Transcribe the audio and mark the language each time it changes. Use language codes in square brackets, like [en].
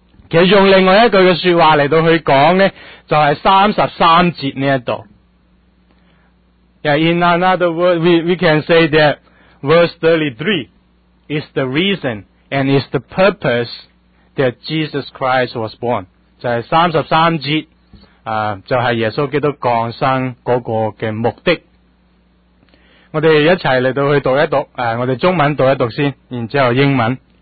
[zh] 其实用另外一句的说话来到去讲呢，就是33节这里。 [en] Yeah, in another word, we can say that verse 33 is the reason and is the purpose that Jesus Christ was born. [zh] 就是33节、就是耶稣基督降生那个的目的。我们一起来到去读一读、我们中文读一读先，然后英文。